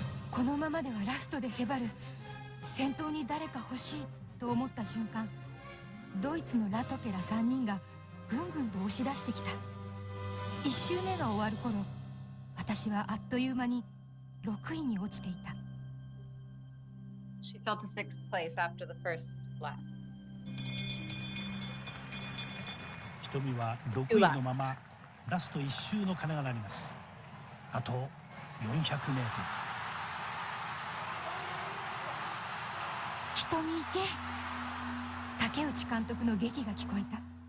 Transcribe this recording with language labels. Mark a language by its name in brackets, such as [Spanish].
[Japanese] このままではラストでへばる、先頭に誰か欲しいと思った瞬間、ドイツのラトケら3人がぐんぐんと押し出してきた。 1周目が終わる頃、私はあっという間に6位に落ちていた。 [English] She fell to sixth place after the first lap. [Japanese] 瞳は6位のままラスト1周の鐘が鳴ります。あと400メートル。瞳行け、竹内監督の劇が聞こえた。